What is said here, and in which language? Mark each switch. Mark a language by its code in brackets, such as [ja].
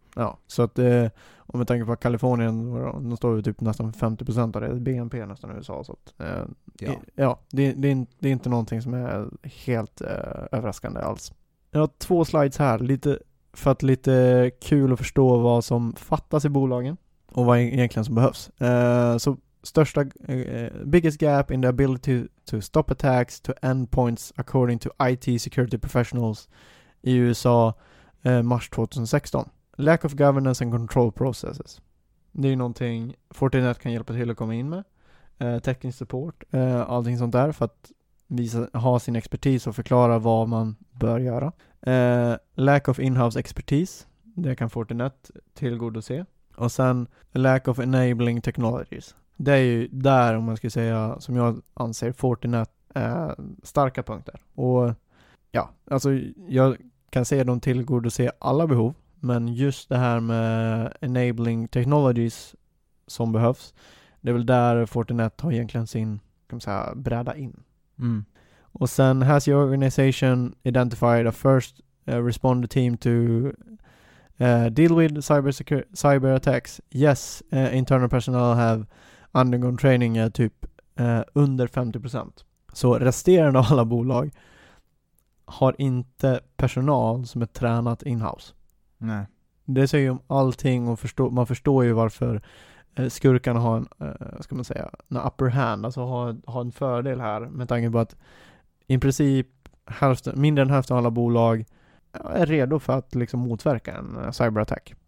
[sv] Ja, så att om vi tänker på Kalifornien, då står vi typ nästan 50% av det, BNP nästan i USA. Så att, ja, det är inte någonting som är helt överraskande alls. Jag har två slides här, lite för att lite kul att förstå vad som fattas i bolagen och vad egentligen som behövs. Så största, [en] biggest gap in the ability to stop attacks to endpoints according to IT security professionals [sv] i USA mars 2016. [en] Lack of governance and control processes. [sv] Det är ju någonting Fortinet kan hjälpa till att komma in med. Teknisk support, allting sånt där, för att visa, ha sin expertis och förklara vad man bör göra. [en] Lack of in-house expertise. [sv] Det kan Fortinet tillgodose. Och sen [en] lack of enabling technologies. [sv] Det är ju där, om man ska säga, som jag anser Fortinet starka punkter. Och ja, alltså jag kan säga att de tillgodose alla behov. Men just det här med [en] enabling technologies [sv] som behövs, det är väl där Fortinet har egentligen sin, kan man säga, bräda in. Mm. Och sen, [en] has your organization identified a first responder team to deal with cyber attacks? Yes, internal personnel have undergone training [sv] typ under 50%. Så resterande av alla bolag har inte personal som är tränat in-house. Nej. Det säger ju om allting, och man förstår ju varför skurkarna har en, ska man säga, en [en] upper hand, [sv] alltså har en fördel här, med tanke på att i princip hälften, mindre än hälften av alla bolag är redo för att liksom motverka en cyberattack.